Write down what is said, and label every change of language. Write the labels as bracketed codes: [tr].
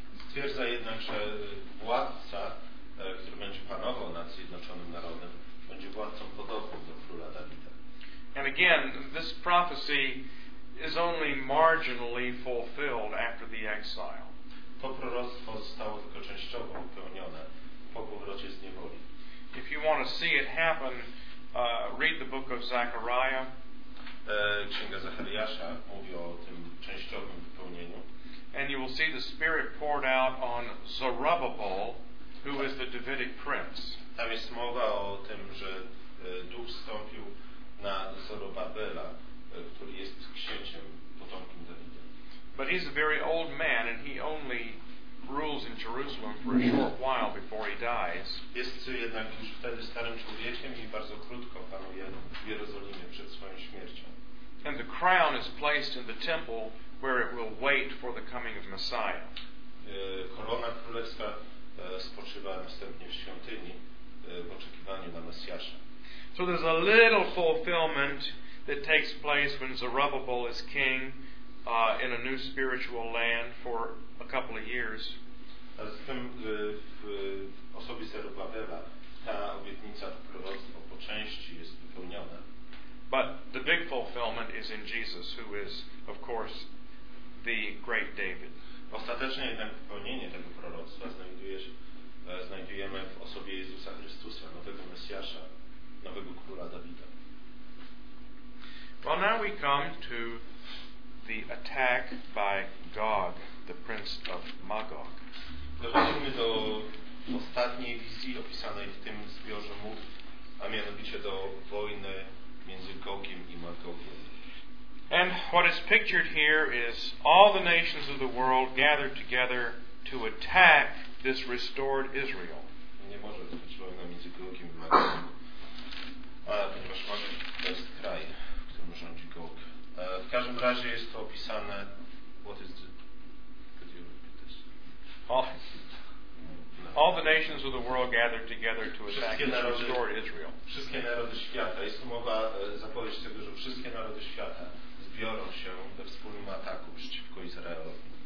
[pl] Stwierdza jednak, że władca, który będzie panował nad zjednoczonym narodem, będzie władcą podobnym do króla Dawida. [en] And again, this prophecy is only marginally fulfilled after the exile. [pl] To proroctwo zostało tylko częściowo wypełnione po powrocie z niewoli. [en] If you want to see it happen, read the book of Zechariah. [pl] Księga Zachariasza mówi o tym częściowym wypełnieniu. [en] And you will see the Spirit poured out on Zerubbabel, who is the Davidic prince. [pl] Tam jest mowa o tym, że Duch zstąpił na Zerubbabela, który jest księciem, potomkiem Dawida. [en] But he's a very old man and he only rules in Jerusalem for a short while before he dies. [pl] Jest jednak już wtedy starym człowiekiem i bardzo krótko panuje w Jerozolimie przed swoją śmiercią. [en] And the crown is placed in the temple where it will wait for the coming of Messiah. [pl] Korona królewska spoczywa następnie w świątyni w oczekiwaniu na Mesjasza. [en] So there's a little fulfillment that takes place when Zerubbabel is king in a new spiritual land for a couple of years. [pl] A zatem w osobie Zerubbabela ta obietnica, to proroctwo po części jest wypełniona. [en] But the big fulfillment is in Jesus, who is, of course, the great David. [pl] Ostatecznie jednak wypełnienie tego proroctwa znajdujemy w osobie Jezusa Chrystusa, nowego Mesjasza, nowego króla Dawida. [en] Well, now we come to the attack by Gog, the prince of Magog. [pl] Dochodzimy do ostatniej wizji opisanej w tym zbiorze mów, a mianowicie do wojny między Gogiem i Magogiem. [en] And what is pictured here is all the nations of the world gathered together to attack this restored Israel. [pl] Nie może być wojna między Gogiem i Magogiem, ponieważ Magog to jest kraj, rządzi Gog. W każdym razie jest to opisane. [en] What is the, could you repeat this? All the nations of the world gathered together to attack and restore Israel. [pl] Wszystkie narody świata. Jest tu mowa zapowiedź tego, że wszystkie narody świata zbiorą się we wspólnym ataku przeciwko Izraelowi.